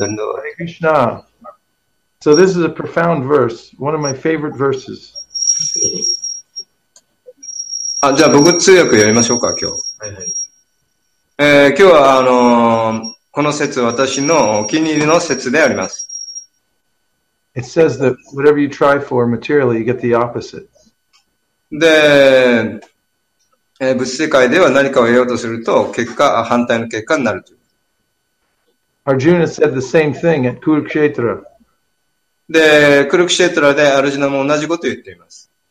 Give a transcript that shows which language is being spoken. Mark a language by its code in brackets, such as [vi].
[en] Dhanavad. Hare Krishna. So this is a profound verse. One of my favorite verses. [ja] あ、じゃあ僕通訳やりましょうか、今日。はいはい。今日は、この説、私のお気に入りの説であります。 [en] It says that whatever you try for materially, you get the opposite. [ja] で、物質界では何かを得ようとすると、結果、反対の結果になるという。 [en] Arjuna said the same thing at Kurukshetra. [ja] で、クルクシェトラでアルジナも同じことを言っています。